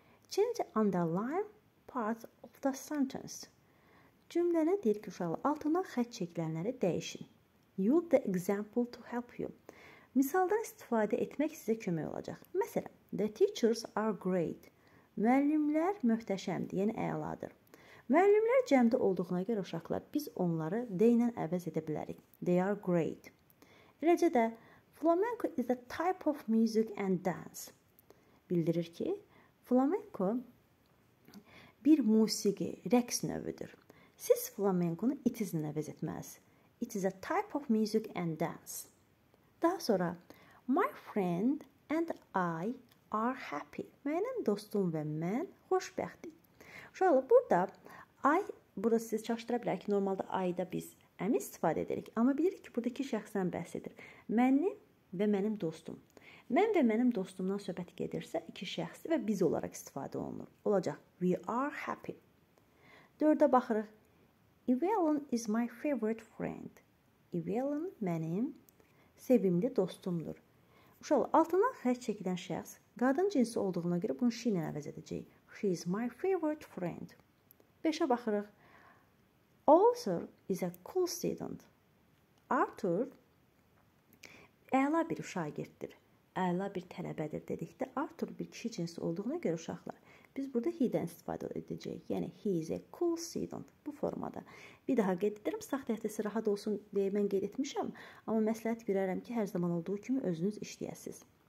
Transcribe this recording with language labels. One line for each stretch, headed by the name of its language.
English: Change underline parts of the sentence.
Azerbaijani: Cümlənə deyir ki, uşaqlar, altına xətt çəkilənləri dəyişin.
English: Use the example to help you.
Azerbaijani: Misaldan istifadə etmək sizə kömək olacaq. Məsələn,
English: the teachers are great.
Azerbaijani: Müəllimlər möhtəşəmdir, yəni əladır. Müəllimlər cəmdə olduğuna görə uşaqlar, biz onları they ilə əvəz edə bilərik.
English: They are great.
Azerbaijani: Eləcə də,
English: flamenco is a type of music and dance.
Azerbaijani: Bildirir ki, flamenco bir musiqi, rəqs növüdür. Siz flamenconu it is ilə əvəz etməlisiniz.
English: It is a type of music and dance.
Azerbaijani: Daha sonra,
English: my friend and I are happy.
Azerbaijani: Mənim dostum və mən xoşbəxtik. Uşaqlar, burada I, burada siz çaşdıra bilər ki, normalda I-da biz am istifadə edirik. Amma bilirik ki, burada iki şəxsdən bəhs edir. Mənim və mənim dostum. Mən və mənim dostumdan söhbət gedirsə, iki şəxsi və biz olaraq istifadə olunur. Olacaq,
English: we are happy.
Azerbaijani: Dördə baxırıq.
English: Evelyn is my favorite friend.
Azerbaijani: Evelyn mənim sevimli dostumdur. Uşaqlar, altından xətt çəkilən şəxs qadın cinsi olduğuna görə bunu she ilə əvəz edəcək.
English: She is my favorite friend.
Azerbaijani: Beşə baxırıq.
English: Arthur is a cool student.
Azerbaijani: Arthur əla bir şagirddir. Əla bir tələbədir dedikdə Arthur bir kişi cinsi olduğuna görə uşaqlar. Biz burada he-dən istifadə edəcəyik. Yəni,
English: he is a cool student
Azerbaijani: bu formada. Bir daha qeyd edirəm. Sağ tərəfdəsi rahat olsun deyə mən qeyd etmişəm. Amma məsləhət görərəm ki, hər zaman olduğu kimi özünüz işləyəsiniz.